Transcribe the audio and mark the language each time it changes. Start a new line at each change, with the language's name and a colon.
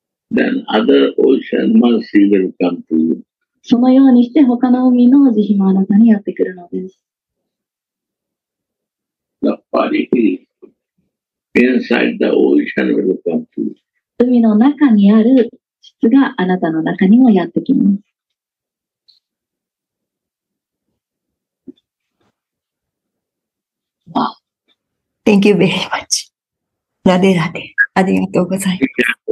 English: Then other ocean mercy will come to you.
Japanese: そのようにして他の海の慈悲もあなたにやってくるのです。
English: The quality inside the ocean will come to you.
Japanese: 海の中にある質があなたの中にもやってきます。
English: Wow. Thank you very much. ラデラデ。
Japanese: ありがとうございます。